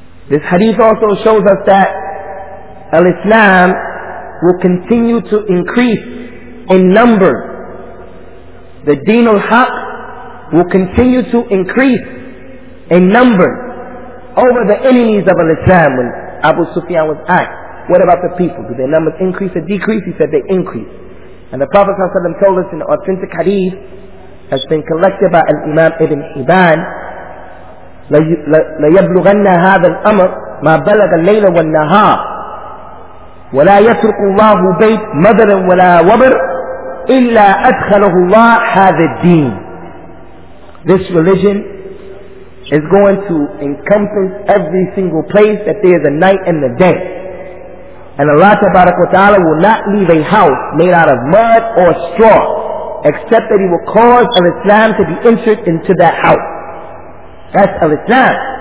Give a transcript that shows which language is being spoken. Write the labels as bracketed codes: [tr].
[en] This hadith also shows us that al-Islam will continue to increase in number. The deen al-Haq will continue to increase in number over the enemies of al-Islam. When Abu Sufyan was asked, what about the people? Do their numbers increase or decrease? He said they increase. And the Prophet ﷺ told us in the authentic hadith has been collected by Al-Imam Ibn Hibban, [ar] لَيَبْلُغَنَّ هَذَا الْأَمْرِ مَا بَلَغَ اللَّيْلَ وَالنَّهَارِ وَلَا يَتْرُقُ اللَّهُ بَيْتْ مَذَرًا وَلَا وَبَرْ إِلَّا أَدْخَلَهُ اللَّهُ هَذَا الدِّينِ. [en] This religion is going to encompass every single place that there is a night and a day. And Allah Ta'ala will not leave a house made out of mud or straw, except that He will cause al-Islam to be entered into that house. That's al-Islam.